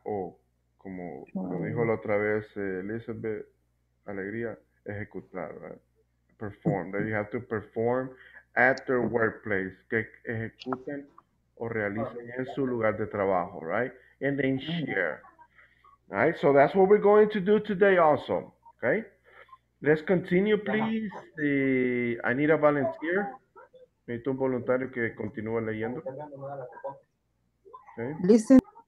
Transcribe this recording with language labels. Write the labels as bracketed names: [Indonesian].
[Spanish] O como lo dijo la otra vez Elizabeth Alegría. [English] Ejecutar. Right? Perform. That you have to perform at their workplace. [Spanish] Que ejecuten o realicen en su lugar de trabajo. [English] Right? And then share. All right? So that's what we're going to do today also. Okay, Let's continue, please. I need a volunteer. [Spanish] Necesito un voluntario que continúe leyendo. [English] Okay. Listen.